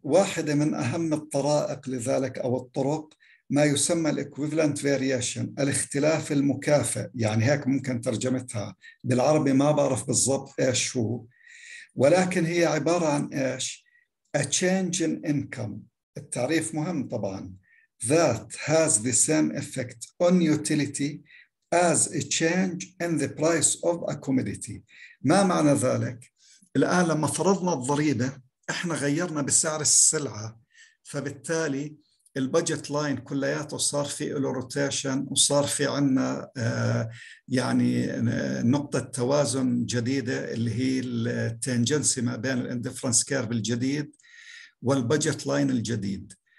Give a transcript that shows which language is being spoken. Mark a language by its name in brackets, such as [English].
[Arabic] واحدة من أهم الطرائق لذلك أو الطرق ما يسمى الإكويفلنت فاريشن، الاختلاف المكافئ، يعني هيك ممكن ترجمتها بالعربي، ما بعرف بالضبط إيش هو، ولكن هي عبارة عن إيش؟ [English] A change in income. [Arabic] التعريف مهم طبعاً. [English] That has the same effect on utility as a change in the price of a commodity. [Arabic] ما معنى ذلك؟ الآن لما فرضنا الضريبة إحنا غيرنا بسعر السلعة، فبالتالي البجت لاين كلياته صار في له روتيشن، وصار في عندنا يعني نقطة توازن جديدة اللي هي التانجنسي ما بين الاندفرنس كيرف الجديد والبجت لاين الجديد.